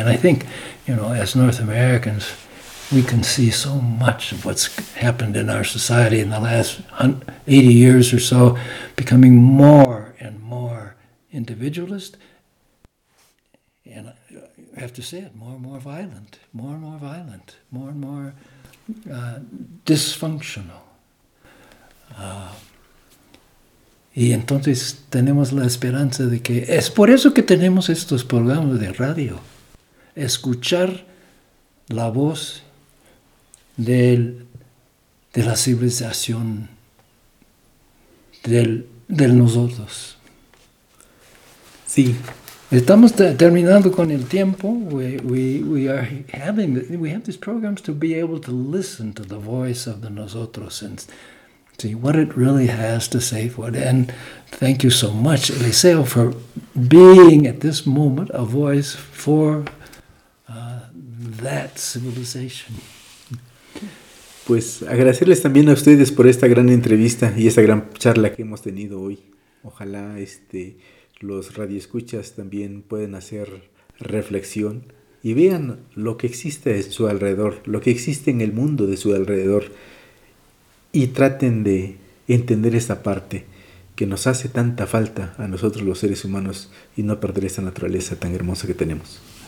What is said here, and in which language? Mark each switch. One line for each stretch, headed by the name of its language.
English: And I think, you know, as North Americans, we can see so much of what's happened in our society in the last 80 years or so, becoming more and more individualist, and I have to say it, more and more violent, more and more violent, more and more dysfunctional.
Spanish: Y entonces tenemos la esperanza de que es por eso que tenemos estos programas de radio, escuchar la voz de la civilización, del nosotros. Sí. Estamos terminando con el tiempo.
English: We are having, we have these programs to be able to listen to the voice of the nosotros and see what it really has to say for it. And thank you so much, Eliseo, for being at this moment a voice for that civilization.
Spanish: Pues agradecerles también a ustedes por esta gran entrevista y esta gran charla que hemos tenido hoy. Ojalá los radioescuchas también pueden hacer reflexión y vean lo que existe en su alrededor, lo que existe en el mundo de su alrededor, y traten de entender esa parte que nos hace tanta falta a nosotros los seres humanos, y no perder esa naturaleza tan hermosa que tenemos.